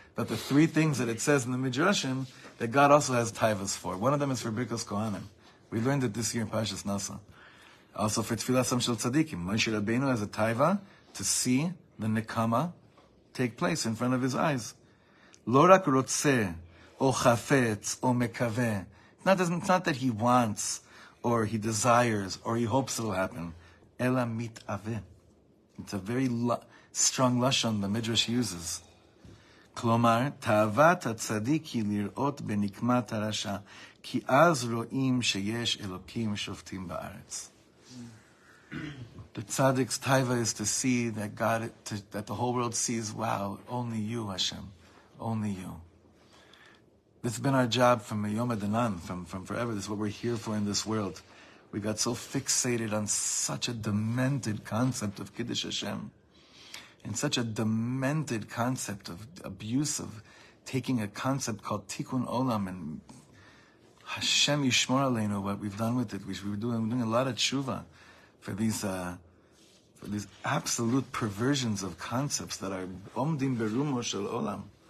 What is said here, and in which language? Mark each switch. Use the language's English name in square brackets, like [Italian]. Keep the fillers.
[English] That the three things that it says in the Midrashim that God also has taivas for. One of them is for Birkos Kohanim. We learned it this year in Parshas Nasa. Also for Tfilas Shel Tzadikim, Moshe Rabbeinu has a taiva to see the nekama take place in front of his eyes. [Hebrew] לא רק רוצה, או חפץ, או מקווה. [English] It's not, it's not that he wants, or he desires, or he hopes it'll happen. [Hebrew] אלא מתאווה. [English] It's a very lu- strong lashon the Midrash uses. [Hebrew] כלומר, תאוות הצדיק היא לראות בנקמת הרשע, כי אז רואים שיש אלוקים שופטים בארץ. [English] The tzaddik's taiva is to see that God, to, that the whole world sees, wow, only you, Hashem, only you. This has been our job from Yom Adanan, from, from forever. This is what we're here for in this world. We got so fixated on such a demented concept of Kiddush Hashem, and such a demented concept of abuse of taking a concept called Tikkun Olam and Hashem Yishmor Aleinu, what we've done with it. We, we were doing, we're doing a lot of tshuva for these, uh, for these absolute perversions of concepts that are omdim berumo shel olam.